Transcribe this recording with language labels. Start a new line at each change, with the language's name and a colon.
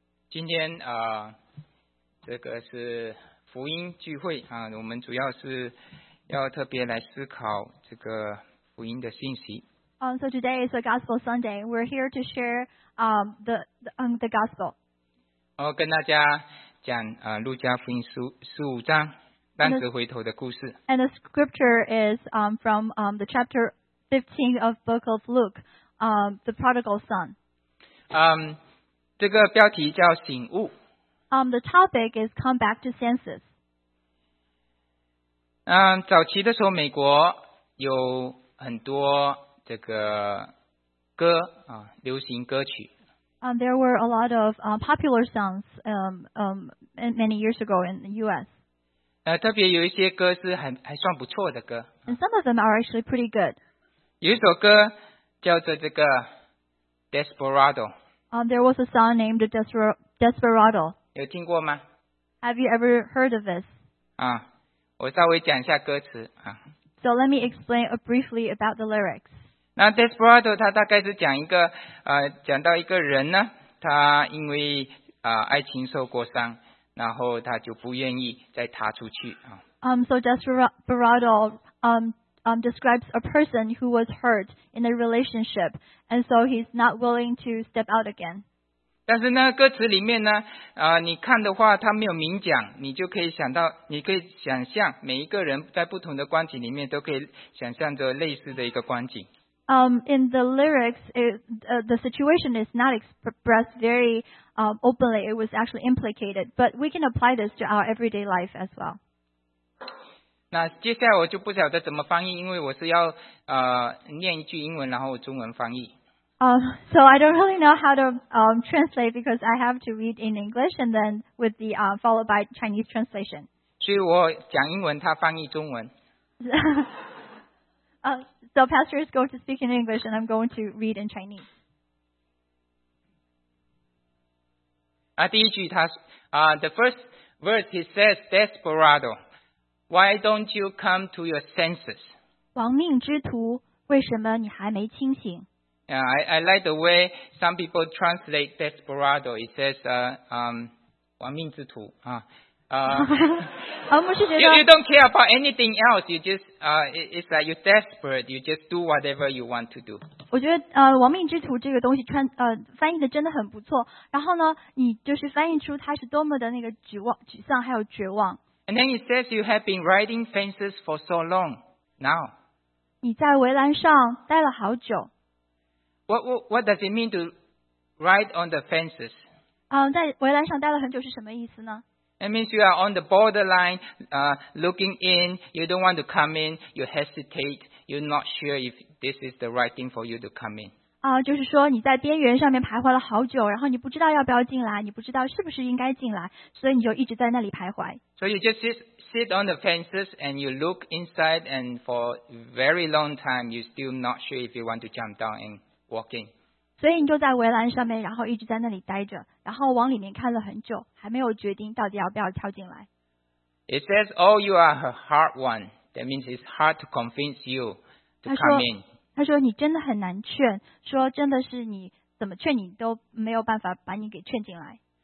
Chinese: 今天这个是福音聚会啊，我们主要是要特别来思考这个福音的信息。
English: So today is a Gospel Sunday. We're here to share the Gospel.
Chinese: 我跟大家讲路加福音15章单子回头的故事。
English: And the scripture is from the chapter 15 of book of Luke, the prodigal son.
Chinese: 这个标题叫醒悟。
English: The topic is come back to senses.
Chinese: 早期的时候美国有很多这个歌啊，流行歌曲。
English: There were a lot of popular songs many years ago in the U.S.
Chinese: 特别有一些歌是还算不错的歌。
English: And some of them are actually pretty good.
Chinese: 有一首歌叫做这个 Desperado。
English: There was a song named Desperado.
Chinese: 有听过吗？
English: Have you ever heard of this?
Chinese: 我稍微讲一下歌词啊。
English: So let me explain briefly about the lyrics.
Chinese: 那 Desperado 他大概是讲一个讲到一个人呢，他因为爱情受过伤，然后他就不愿意再踏出去啊。
English: So Desperado describes a person who was hurt in a relationship, and so he's not willing to step out again.
Chinese: 但是呢，歌词里面呢，你看的话，他没有明讲，你就可以想到，你可以想象每一个人在不同的光景里面都可以想象着类似的一个光景。
English: In the lyrics, the situation is not expressed very openly. It was actually implicated, but we can apply this to our everyday life as well.
Chinese: 那接下来我就不晓得怎么翻译，因为我是要念一句英文，然后中文翻译。
English: So I don't really know how to translate because I have to read in English and then with the followed by Chinese translation.
Chinese: 所以我讲英文，他翻译中文。
English: So pastor is going to speak in English and I'm going to read in Chinese.
Chinese: 第一句他
English: the first verse he says desperado. Why don't you come to your senses?
Chinese: 亡命之徒，为什么你还没清醒？
English: I like the way some people translate desperado. It says,
Chinese: 亡命之徒啊。
English: you don't care about anything else. You just, it's like you're desperate. You just do whatever you want to do.
Chinese: 我觉得亡命之徒这个东西翻译的真的很不错。然后呢，你就是翻译出他是多么的那个沮丧还有绝望。
English: And then it says you have been riding fences for so long now.
Chinese: 你在围栏上待了好久。
English: What does it mean to ride on the fences?
Chinese: 在围栏上待了很久是什么意思呢？
English: It means you are on the borderline, looking in. You don't want to come in. You hesitate. You're not sure if this is the right thing for you to come in.
Chinese: 就是说你在边缘上面徘徊了好久，然后你不知道要不要进来，你不知道是不是应该进来，所以你就一直在那里徘徊。
English: So you just sit on the fences and you look inside, and for a very long time, you're still not sure if you want to jump down and walking.
Chinese: 所以你就在围栏上面，然后一直在那里待着，然后往里面看了很久，还没有决定到底要不要跳进来。
English: It says, "Oh, you are a hard one." That means it's hard to convince you to come in.
Chinese: 他说你真的很难劝，说真的是你怎么劝你都没有办法把你给劝进来。